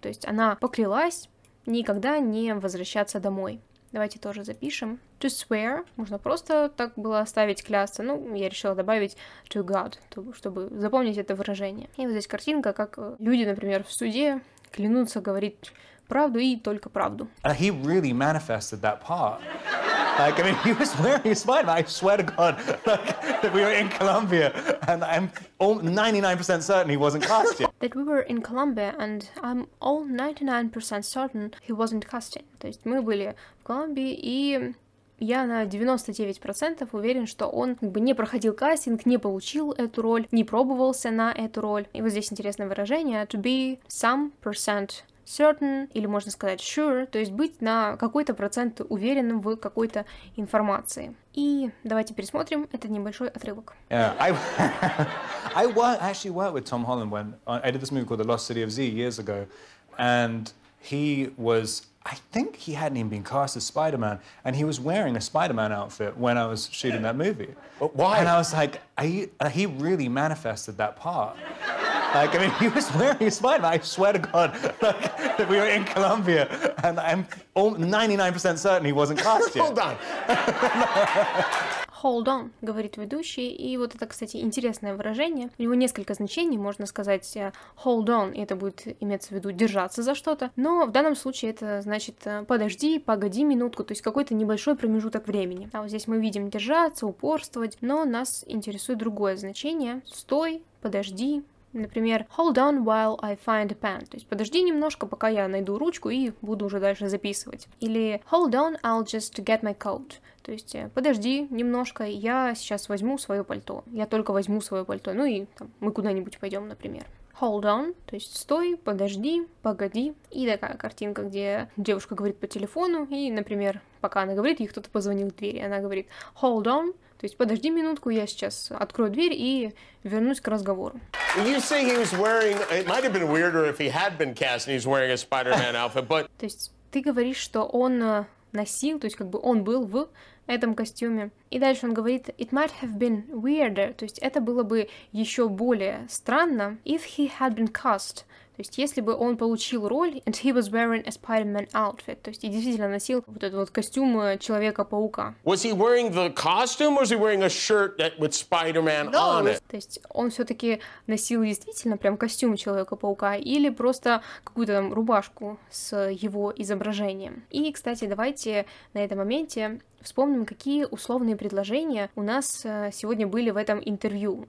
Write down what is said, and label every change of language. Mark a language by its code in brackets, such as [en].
[ru] То есть она поклялась никогда не возвращаться домой. Давайте тоже запишем. [en] To swear. [ru] Можно просто так было оставить клясться. Ну, я решила добавить [en] to God, [ru] чтобы запомнить это выражение. И вот здесь картинка, как люди, например, в суде клянутся говорить правду и только правду. [en] He really manifested that part. Like, I mean, he was wearing a Spider-Man, I swear to God, that we were in Colombia, and I'm 99% certain he wasn't cast yet. That we were in Colombia, and I'm all 99% certain he wasn't cast yet. [ru] То есть мы были в Колумбии, и я на 99% уверен, что он как бы не проходил кастинг, не получил эту роль, не пробовался на эту роль. И вот здесь интересное выражение, [en] to be some percent certain, [ru] или можно сказать [en] sure, [ru] то есть быть на какой-то процент уверенным в какой-то информации. И давайте пересмотрим этот небольшой отрывок. [en] Yeah, I actually worked with Tom Holland when I did this movie called The Lost City of Z years ago, and he was, I think he hadn't even been cast as Spider-Man, and he was wearing a Spider-Man outfit when I was shooting that movie. But why? And I was like, he really manifested that part. Like, I mean, he was wearing a Spider-Man, I swear to God, like, that we were in Colombia, and I'm 99% certain he wasn't cast yet. Hold on. Hold on, [ru] говорит ведущий, и вот это, кстати, интересное выражение. У него несколько значений, можно сказать [en] hold on, [ru] и это будет иметься в виду держаться за что-то, но в данном случае это значит подожди, погоди минутку, то есть какой-то небольшой промежуток времени. А вот здесь мы видим держаться, упорствовать, но нас интересует другое значение, стой, подожди. [en] Например, hold on while I find a pen. [ru] То есть подожди немножко, пока я найду ручку и буду уже дальше записывать. [en] Или hold on, I'll just get my coat. [ru] То есть подожди немножко, я сейчас возьму свое пальто. Я только возьму свое пальто. Ну и там, мы куда-нибудь пойдем, например. [en] Hold on, [ru] то есть стой, подожди, погоди. И такая картинка, где девушка говорит по телефону, и, например, пока она говорит, ей кто-то позвонил в дверь, и она говорит [en] hold on. [ru] То есть подожди минутку, я сейчас открою дверь и вернусь к разговору. [en] You say he was wearing, it might have been weirder if he had been cast and he's wearing a Spider-Man outfit, but... [ru] То есть ты говоришь, что он носил, то есть как бы он был в этом костюме. И дальше он говорит, [en] it might have been weirder, [ru] то есть это было бы еще более странно, [en] if he had been cast. [ru] То есть, если бы он получил роль, [en] and he was wearing a Spider-Man outfit, [ru] то есть, и действительно носил вот этот вот костюм Человека-паука. [en] Was he wearing the costume, or was he wearing a shirt that with Spider-Man no. on it? [ru] То есть, он все-таки носил действительно прям костюм Человека-паука, или просто какую-то там рубашку с его изображением. И, кстати, давайте на этом моменте вспомним, какие условные предложения у нас сегодня были в этом интервью.